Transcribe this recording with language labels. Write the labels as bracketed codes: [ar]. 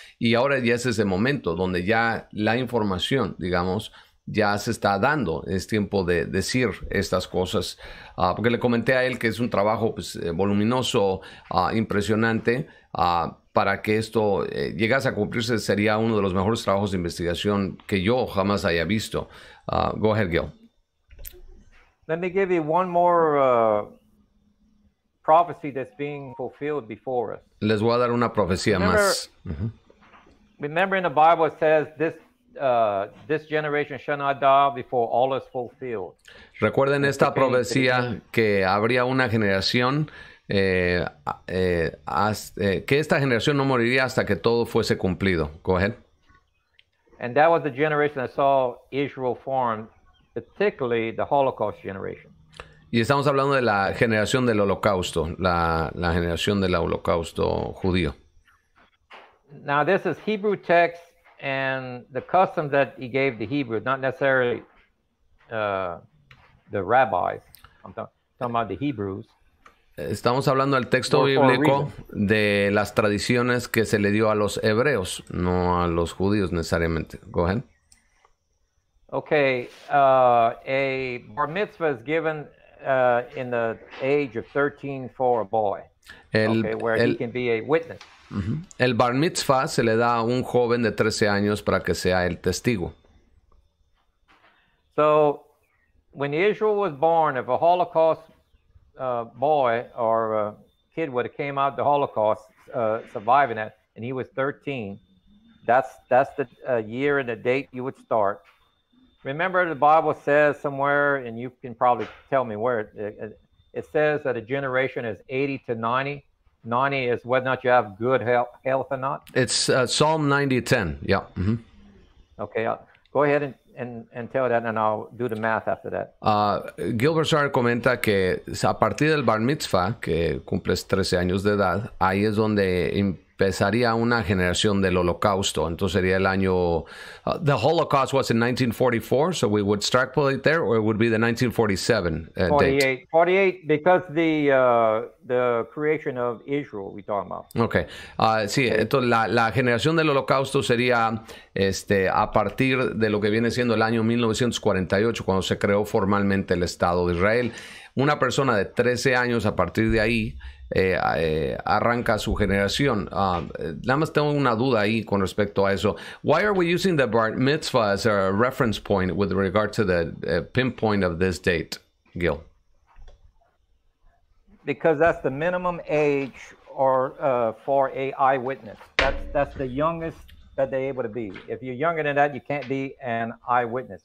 [es] Y ahora ya es ese momento donde ya la información, digamos, ya se está dando, es tiempo de decir estas cosas, porque le comenté a él que es un trabajo pues, voluminoso, impresionante, para que esto llegase a cumplirse sería uno de los mejores trabajos de investigación que yo jamás haya visto. [en] Go ahead, Gil. Let me give you one more prophecy that's being fulfilled before us. [es] Les voy a dar una profecía más. [en] Remember in the Bible it says this generation shall not die before all is fulfilled. [es] Recuerden esta profecía que habría una generación que esta generación no moriría hasta que todo fuese cumplido. [en] Go ahead. And that was the generation that saw Israel form, particularly the Holocaust generation. [es] Y estamos hablando de la generación del Holocausto, la generación del Holocausto judío. [en] Now this is Hebrew text. And the custom that he gave the Hebrews, not necessarily the rabbis, I'm talking about the Hebrews. [es] Estamos hablando del texto bíblico de las tradiciones que se le dio a los hebreos, no a los judíos necesariamente. [en] Go ahead. Okay, a bar mitzvah is given in the age of 13 for a boy, he can be a witness. [es] El bar mitzvah se le da a un joven de 13 años para que sea el testigo. [en] So, when Israel was born, if a Holocaust boy or a kid would have came out of the Holocaust surviving it, and he was 13, that's the year and the date you would start. Remember the Bible says somewhere, and you can probably tell me where, it says that a generation is 80 to 90. 90 is whether or not you have good health or not. It's Psalm 90:10. Yeah. Okay. Go ahead and tell that, and I'll do the math after that. [es] Gilbert Sharp comenta que a partir del bar mitzvah, que cumples 13 años de edad, ahí es donde empezaría una generación del holocausto. Entonces sería el año... [en] the Holocaust was in 1944, so we would extrapolate there, or it would be the 1947 date. 48, because the creation of Israel, we're talking about. Okay. [es] Sí, entonces la generación del holocausto sería a partir de lo que viene siendo el año 1948, cuando se creó formalmente el Estado de Israel. Una persona de 13 años a partir de ahí... arranca su generación. Nada más tengo una duda ahí con respecto a eso. [en] Why are we using the bar mitzvah as a reference point with regard to the pinpoint of this date, Gil? Because that's the minimum age or for a eyewitness. That's the youngest that they're able to be. If you're younger than that, you can't be an eyewitness.